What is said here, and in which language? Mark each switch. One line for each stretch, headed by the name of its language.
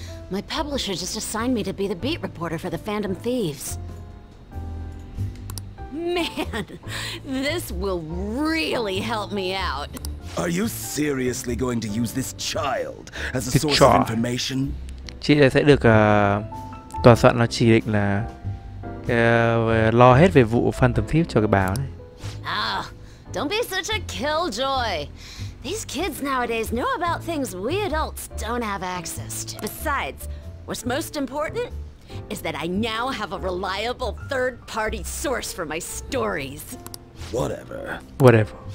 English: My publisher just assigned me to be the beat reporter for the Phantom Thieves. Man, this will really help me out. Are you seriously going to use this child as a source of information?
Vietnamese: Chị sẽ được tòa soạn nó chỉ định là lo hết về vụ Phantom Thief cho cái báo này.
English: Ah, oh, don't be such a killjoy. These kids nowadays know about things we adults don't have access to. Besides, what's most important is that I now have a reliable third-party source for my stories. Whatever. Whatever.